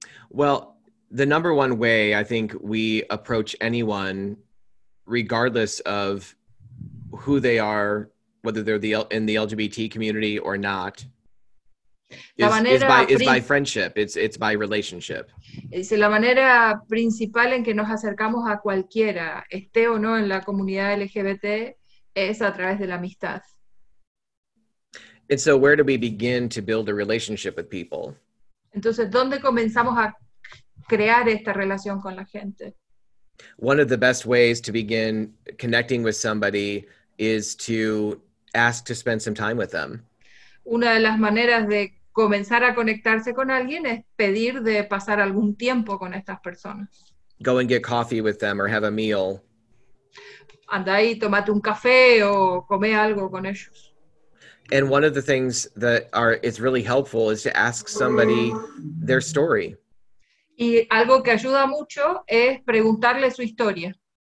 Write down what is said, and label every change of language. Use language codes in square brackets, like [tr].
[en] Well, the number one way I think we approach anyone, regardless of who they are, whether they're in the LGBT community or not, is by friendship. It's by relationship. [es] Es la manera principal en que nos acercamos a cualquiera, esté o no en la comunidad LGBT, es a través de la amistad. [en] And so where do we begin to build a relationship with people? [es] Entonces, ¿dónde comenzamos a crear esta relación con la gente? [en] One of the best ways to begin connecting with somebody is to ask to spend some time with them. [es] Una de las maneras de comenzar a conectarse con alguien es pedir de pasar algún tiempo con estas personas. [en] Go and get coffee with them or have a meal. [es] Anda y tómate un café o come algo con ellos. [en] And one of the things that is really helpful is to ask somebody their story. [es] Y algo que ayuda mucho es preguntarle su historia.